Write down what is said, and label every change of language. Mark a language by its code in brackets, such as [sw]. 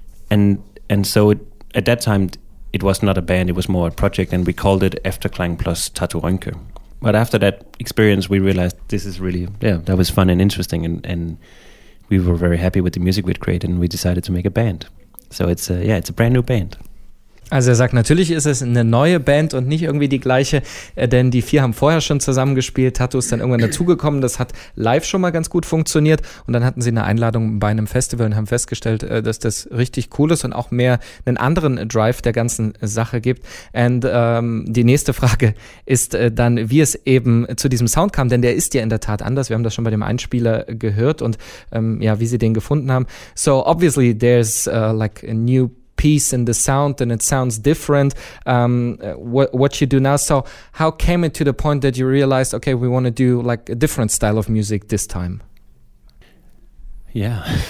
[en] And so at that time, it was not a band, it was more a project, and we called it Efterklang plus Tatu Rönkö. But after that experience, we realized this is really, yeah, that was fun and interesting, and we were very happy with the music we'd created, and we decided to make a band. So it's a, yeah, it's a brand new band. [de] Also er sagt, natürlich ist es eine neue Band und nicht irgendwie die gleiche, denn die vier haben vorher schon zusammengespielt, Tatu ist dann irgendwann dazugekommen, das hat live schon mal ganz gut funktioniert und dann hatten sie eine Einladung bei einem Festival und haben festgestellt, dass das richtig cool ist und auch mehr einen anderen Drive der ganzen Sache gibt. Und die nächste Frage ist dann, wie es eben zu diesem Sound kam, denn der ist ja in der Tat anders, wir haben das schon bei dem Einspieler gehört und ja, wie sie den gefunden haben. [en] So obviously there's like a new piece in the sound and it sounds different what you do now. So how came it to the point that you realized, okay, we want to do like a different style of music this time? Yeah.